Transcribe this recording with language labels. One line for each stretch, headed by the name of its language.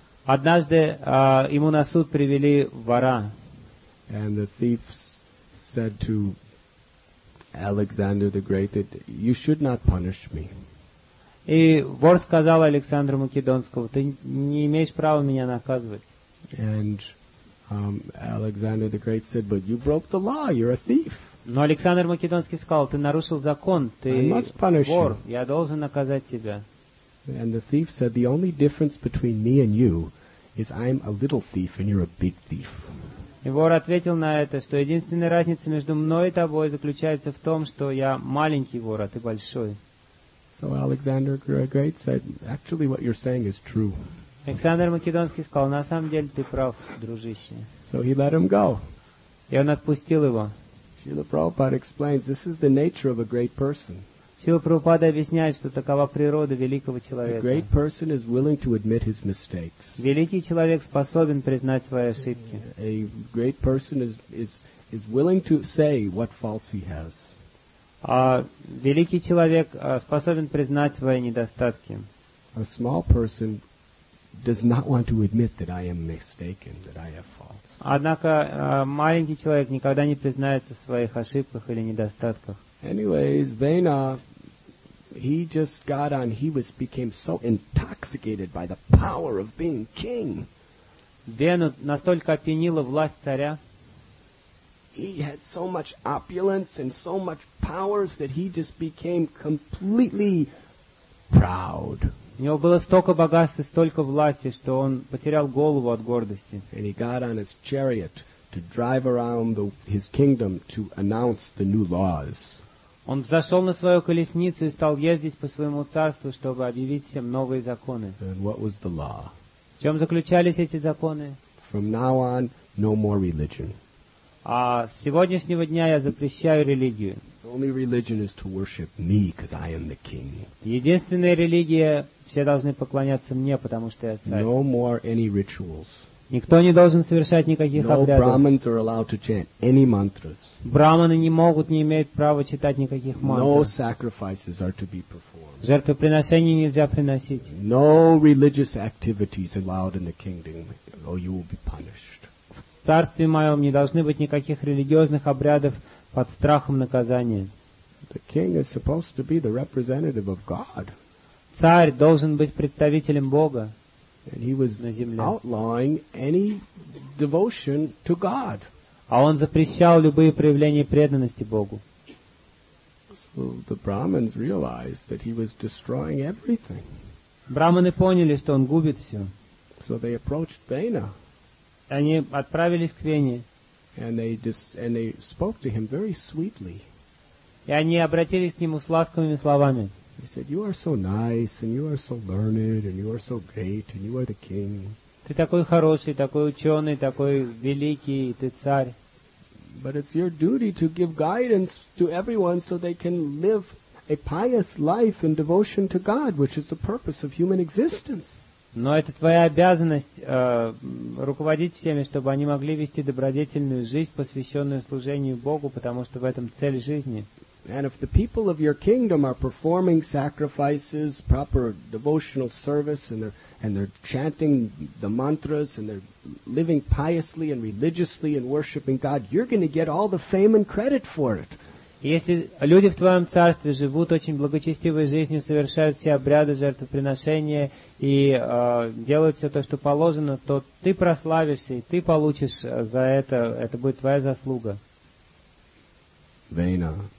Russian: Однажды ему на суд привели вора.
English: And the thief said to Alexander the Great, that you should not punish me.
Russian: И вор сказал Александру Македонскому, ты не имеешь права меня наказывать.
English: And Alexander the Great said, but you broke the law, you're a thief.
Russian: Но Александр Македонский сказал, ты нарушил закон, ты вор,
English: I must punish you.
Russian: Я должен наказать тебя.
English: And the thief said, the only difference between me and you is I'm a little thief and you're a big thief.
Russian: И вор ответил на это, что единственная разница между мной и тобой заключается в том, что я маленький вор, а ты большой.
English: So Alexander Great said, actually what you're saying is true.
Russian: Александр Македонский сказал, на самом деле ты прав, дружище.
English: So he let him go.
Russian: И он отпустил его.
English: Srila Prabhupada explains, this is the nature of a great person.
Russian: Srila Prabhupada объясняет, что такова природа великого человека.
English: A great person is willing to admit his mistakes.
Russian: Великий человек способен признать свои ошибки.
English: A great person is willing to say what faults he has.
Russian: А великий человек способен признать свои недостатки.
English: A small person does not want to admit that I am mistaken, that I have faults.
Russian: Однако маленький человек никогда не признается в своих ошибках или недостатках.
English: Anyways, Vena, he just got on. He was became so intoxicated by the power of being king.
Russian: Вену настолько опьянила власть царя.
English: He had so much opulence and so much powers that he just became completely proud.
Russian: У него было столько богатства, столько власти, что он потерял голову от гордости.
English: And he got on his chariot to drive around his kingdom to announce the new laws.
Russian: Он взошел на свою колесницу и стал ездить по своему царству, чтобы объявить всем новые законы.
English: And what was the law?
Russian: В чем заключались эти законы?
English: From now on, no more religion.
Russian: А с сегодняшнего дня я запрещаю религию.
English: Only religion is to worship me, because I am the king.
Russian: Единственная религия, все должны поклоняться мне, потому что я царь.
English: No more any rituals.
Russian: Никто не должен совершать никаких обрядов.
English: No brahmins are allowed to chant any mantras.
Russian: Брахманы не могут, не имеют права читать никаких мантр.
English: No sacrifices are to be performed.
Russian: Жертвоприношения нельзя приносить.
English: No religious activities allowed in the kingdom, or you will be punished.
Russian: В царстве моем не должны быть никаких религиозных обрядов под страхом наказания.
English: The king is supposed to be the representative of God.
Russian: Царь должен быть представителем Бога.
English: And he was outlawing any devotion to God.
Russian: А он запрещал любые проявления преданности Богу.
English: So the Brahmins realized that he was destroying everything.
Russian: Брахманы поняли, что он губит все.
English: So they approached Vena.
Russian: Они отправились к Вене.
English: And they spoke to him very sweetly.
Russian: И они обратились к нему с ласковыми словами.
English: They said, "You are so nice, and you are so learned, and you are so great, and you are the king."
Russian: Ты такой хороший, такой ученый, такой великий, ты царь.
English: But it's your duty to give guidance to everyone so they can live a pious life in devotion to God, which is the purpose of human existence.
Russian: Но это твоя обязанность руководить всеми, чтобы они могли вести добродетельную жизнь, посвященную служению Богу, потому что в этом цель жизни.
English: And if the people of your kingdom are performing sacrifices, proper devotional service, and they're chanting the mantras, and they're living piously and religiously and worshiping God, you're going to get all the fame and credit for it.
Russian: Если люди в твоем царстве живут очень благочестивой жизнью, совершают все обряды жертвоприношения и делают все то, что положено, то ты прославишься, и ты получишь за это. Это будет твоя заслуга. Vena.